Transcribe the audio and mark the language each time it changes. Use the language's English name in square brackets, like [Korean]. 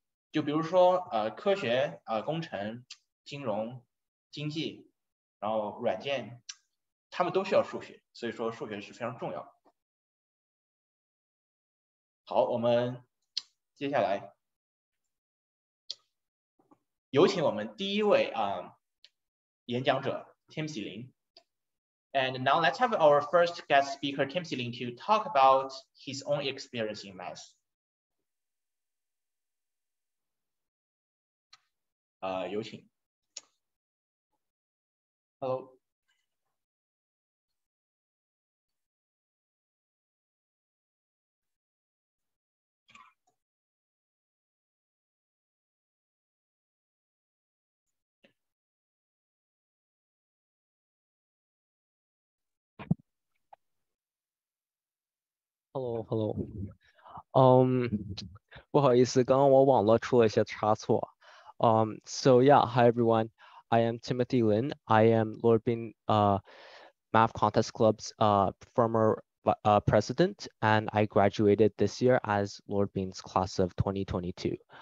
[Chinese] 就比如说科学工程金融经济然后软件他们都需要数学，所以说数学是非常重要。好，我们接下来有请我们第一位演讲者 Tim 喜林。 [English] And now let's have our first guest speaker, Tim Seeling, to talk about his own experience in math. You can. Hello. Hello. [Chinese] 不好意思，刚刚我网络出了一些差错。 [English] So yeah, hi everyone. I am Timothy Lin. I am Lord Bin Math Contest Club's former president, and I graduated this year as Lord Bin's class of 2022.